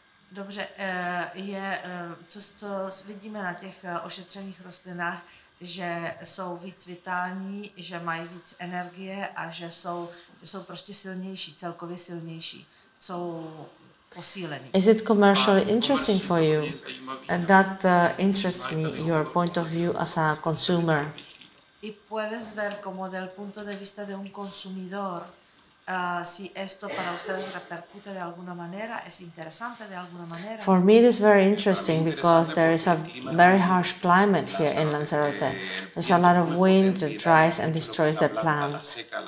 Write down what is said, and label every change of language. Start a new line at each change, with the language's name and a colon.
Czech: Dobře, je co vidíme na těch ošetřených rostlinách, že jsou víc vitální, že mají víc energie a že jsou prostě silnější, celkově silnější, jsou posílený.
English: Is it commercially interesting for you? And that interests me, your point of view as a consumer.
Spanish: Y puedes ver como del punto de vista de un consumidor, si esto para ustedes repercute de alguna manera, es interesante de alguna manera.
English: For me it is very interesting because there is a very harsh climate here in Lanzarote. There's a lot of wind that dries and destroys the plants.